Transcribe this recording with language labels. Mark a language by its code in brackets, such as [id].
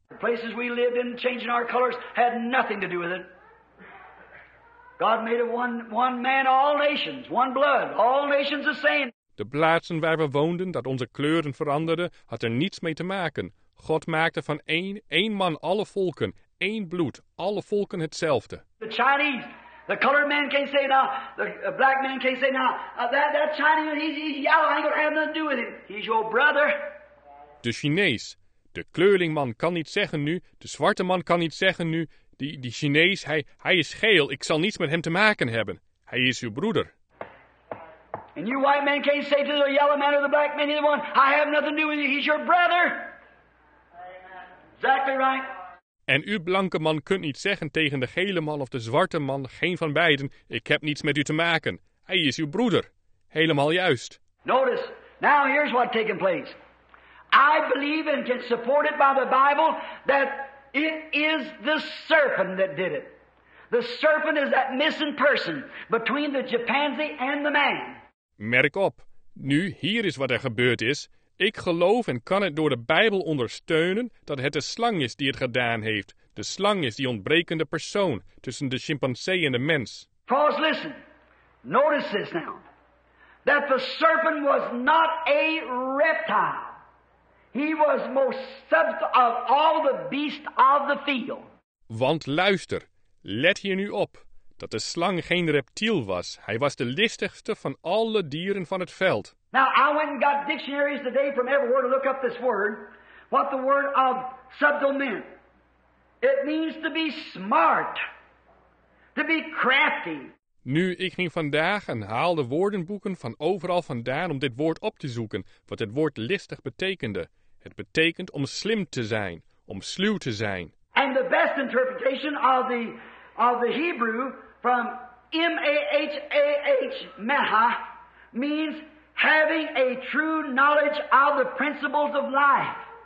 [en] The places we lived in, changing our colors, had nothing to do with it. God made of one man all nations, one blood, all nations the same. [nl] De plaatsen waar we woonden, dat onze kleuren veranderden, had er niets mee te maken. God maakte van één man alle volken. Eén bloed, alle volken hetzelfde. [en] The Chinese, the colored man can't say now, the black man can't say now, that Chinese, he's yellow, I ain't gonna have nothing to do with him. He's your brother. [nl] De Chinees, de kleurlingman kan niet zeggen nu, de zwarte man kan niet zeggen nu, die Chinees, hij is geel, ik zal niets met hem te maken hebben. Hij is uw broeder. [en] And you white man can't say to the yellow man or the black man, either one, I have nothing to do with you, he's your brother. Exactly right. [nl] En u blanke man kunt niet zeggen tegen de gele man of de zwarte man, geen van beiden, ik heb niets met u te maken. Hij is uw broeder. Helemaal juist. [en] Notice, now here's what's taking place. I believe and can support it by the Bible that it is the serpent that did it. The serpent is that missing person between the chimpanzee and the man. [nl] Merk op, nu hier is wat er gebeurd is. Ik geloof en kan het door de Bijbel ondersteunen dat het de slang is die het gedaan heeft. De slang is die ontbrekende persoon tussen de chimpansee en de mens. [en] Paul, listen. Notice this now. That the serpent was not a reptile. He was most subtle of all the beasts of the field. [nl] Want luister, let hier nu op dat de slang geen reptiel was. Hij was de listigste van alle dieren van het veld. [en] Now, I went and got dictionaries today from everywhere to look up this word, what the word of subtle meant. It means to be smart, to be crafty. [nl] Nu, ik ging vandaag en haalde woordenboeken van overal vandaan om dit woord op te zoeken, wat het woord listig betekende. Het betekent om slim te zijn, om sluw te zijn. [en] And the best interpretation of the Hebrew from M-A-H-A-H, meha, means Having a true knowledge of the principles of life.